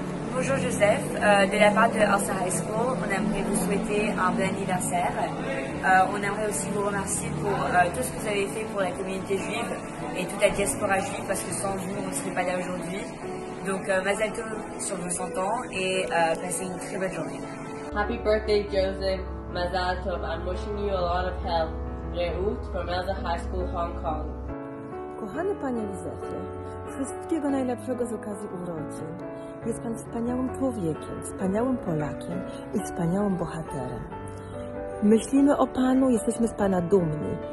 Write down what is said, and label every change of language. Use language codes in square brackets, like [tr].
[fr] Bonjour Joseph, de la part de Elsa High School, on aimerait vous souhaiter un bon anniversaire. On aimerait aussi vous remercier pour tout ce que vous avez fait pour la communauté juive et toute la diaspora juive, parce que sans vous, on ne serait pas là aujourd'hui. Donc, Mazel Tov sur vos 100 ans et passez une très bonne journée. [en] Happy birthday Joseph, Mazel Tov, I'm wishing you a lot of health. Reut from Elsa High School, Hong Kong. [pl] Kochany panie Józefie, wszystkiego najlepszego z okazji urodzin. Jest pan wspaniałym człowiekiem, wspaniałym Polakiem i wspaniałym bohaterem. Myślimy o panu, jesteśmy z pana dumni.